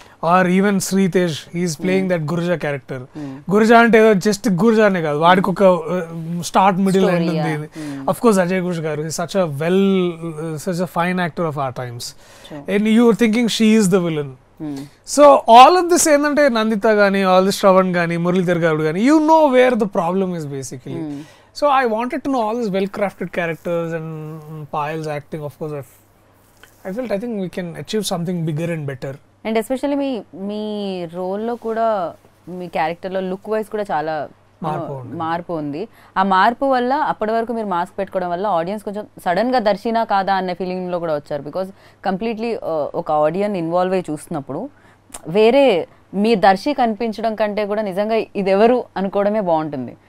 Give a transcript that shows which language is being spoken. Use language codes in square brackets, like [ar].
[en] Or even Sritej, he's playing that Guruja character. [te] Guruja అంటే ఏదో just గురుజానే కాదు, వాడికి ఒక స్టార్ట్ మిడిల్ ఎండ్ ఉంది. [en] Of course Ajay Ghosh garu, he such a well such a fine actor of our times, and you are thinking she's the villain. So all of this [te] ఏంటంటే [en] నందిత కానీ, all this Shravan కానీ, మురళీధర్ గారు కానీ, you know where the problem is basically. So I wanted to know all these well-crafted characters and Payal's acting, of course, I felt, I think we can achieve something bigger and better. And especially [te] me role lo kuda, me character lo look-wise kuda chala మార్పు ఉంది. ఆ మార్పు వల్ల అప్పటి వరకు మీరు mask పెట్టుకోవడం వల్ల ఆడియన్స్ కొంచెం సడన్ గా దర్శినా కాదా అనే ఫీలింగ్ లో కూడా వచ్చారు, బికాస్ కంప్లీట్లీ ఒక ఆడియన్ ఇన్వాల్వ్ అయ్యి చూస్తున్నప్పుడు వేరే మీ దర్శి కనిపించడం కంటే కూడా నిజంగా ఇది ఎవరు అనుకోవడమే బాగుంటుంది.